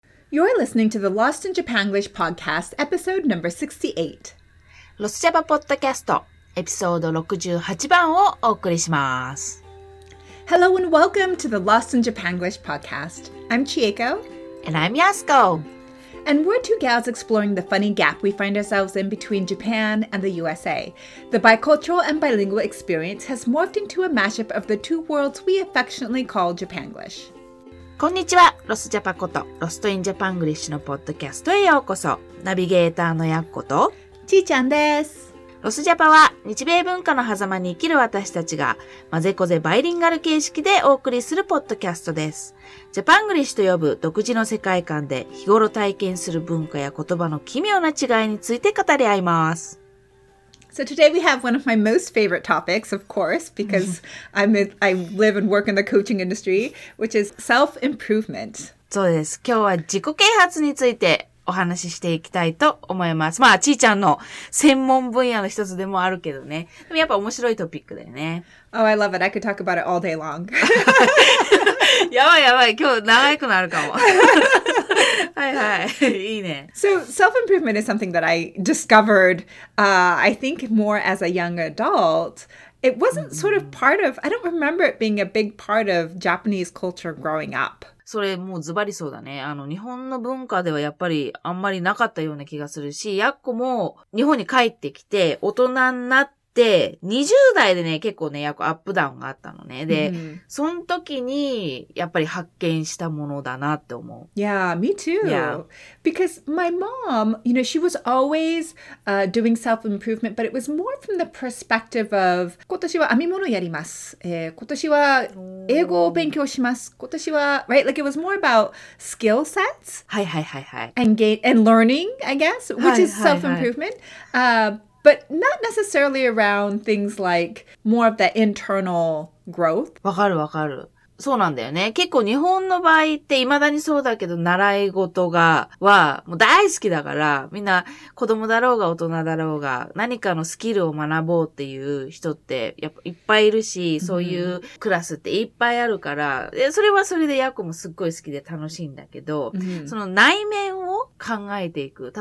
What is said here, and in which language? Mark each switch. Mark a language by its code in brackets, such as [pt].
[en] You're listening to the Lost in Japanglish podcast, episode number 68. [ja] ロスジャパポッドキャスト、エピソード68番をお送りします。 [en] Hello and welcome to the Lost in Japanglish podcast. I'm Chieko. And I'm Yasuko. And we're two gals exploring the funny gap we find ourselves in between Japan and the USA. The bicultural and bilingual experience has morphed into a mashup of the two worlds we affectionately call Japanglish. [ja] こんにちは、ロスジャパこと、ロストインジャパングリッシュのポッドキャストへようこそ。ナビゲーターのやっこと、ちーちゃんです。ロスジャパは、日米文化の狭間に生きる私たちが、まぜこぜバイリンガル形式でお送りするポッドキャストです。ジャパングリッシュと呼ぶ独自の世界観で、日頃体験する文化や言葉の奇妙な違いについて語り合います。 [en] So today we have one of my most favorite topics, of course, because I live and work in the coaching industry, which is self-improvement. [ja] そうです。今日は自己啓発についてお話ししていきたいと思います。まあ、ちーちゃんの専門分野の一つでもあるけどね。でもやっぱ面白いトピックだよね。 [en] Oh, I love it. I could talk about it all day long. [ja] やばいやばい。今日長くなるかも。はいはい。いいね。 [en] So, self-improvement is something that I discovered, I think, more as a young adult. It wasn't sort of part of, I don't remember it being a big part of Japanese culture growing up. [ja] それもうズバリそうだね。日本の文化ではやっぱりあんまりなかったような気がするし、やっこも日本に帰ってきて大人になって、20代でね、結構ね、やっこアップダウンがあったのね。で、その時にやっぱり発見したものだなって思う。 [en] Yeah, me too. Yeah. Because my mom, you know, she was always, doing self-improvement, but it was more from the perspective of, [ja] 今年は編み物やります。今年は英語を勉強します。今年は、 [en] right? Like, it was more about skill sets. [ja] はいはいはいはい。 [en] And learning, I guess, which is self-improvement. But not necessarily around things like more of the internal growth. [ja] わかるわかる。そうなんだよね。結構日本の場合って未だにそうだけど、習い事が、は、もう大好きだから、みんな子供だろうが大人だろうが、何かのスキルを学ぼうっていう人って、やっぱいっぱいいるし、そういうクラスっていっぱいあるから、でそれはそれでヤコもすっごい好きで楽しいんだけど、その内面を考えていく。